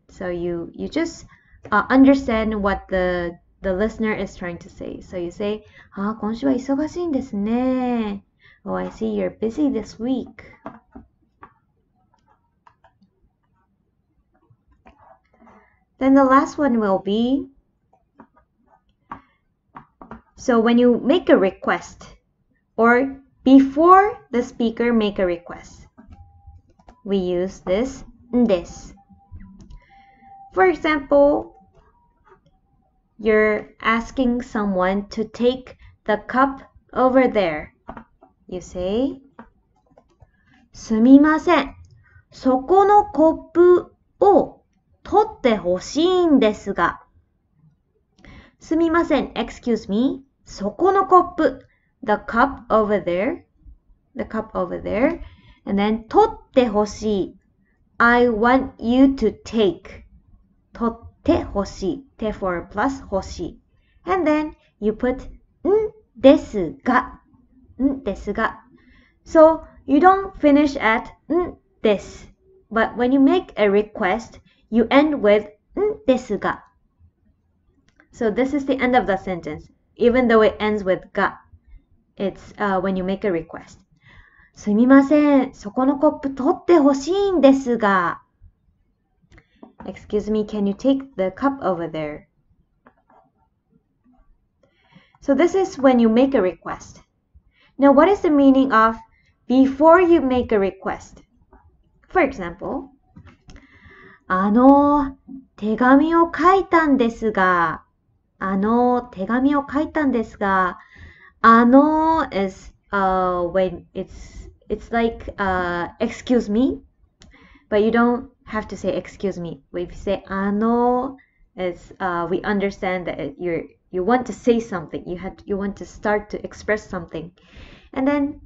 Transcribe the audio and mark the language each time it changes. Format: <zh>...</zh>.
<en>So you just understand what the listener is trying to say. So you say,</en> <ja>あ、今週は忙しいんですね。</ja> <en>Oh, I see you're busy this week. Then the last one will be, so when you make a request, or before the speaker make a request, we use this, this. For example, you're asking someone to take the cup over there. You say,</en> <ja>すみません。そこのコップを取ってほしいんですが。すみません。</ja> <en>Excuse me.</en> <ja>そこのコップ。</ja> <en>The cup over there. The cup over there. And then,</en> <ja>取ってほしい。</ja> <en>I want you to take.</en> <ja>取ってほしい。</ja> <en>手 for plus ほしい。And then, you put んですが。</en> <ja>んですが。</ja> <en>So, you don't finish at んです。 But when you make a request, you end with んですが。 So, this is the end of the sentence. Even though it ends with が.It's when you make a request.</en> <ja>すみません。そこのコップ取ってほしいんですが。</ja> <en>Excuse me, can you take the cup over there? So this is when you make a request. Now, what is the meaning of before you make a request? For example,</en> <ja>あの手紙を書いたんですが、あの手紙を書いたんですが、あの</ja> <en>is when it's like excuse me, but you don't have to say excuse me. If you say あの is we understand that you want to say something. You want to start to express something. And then</en>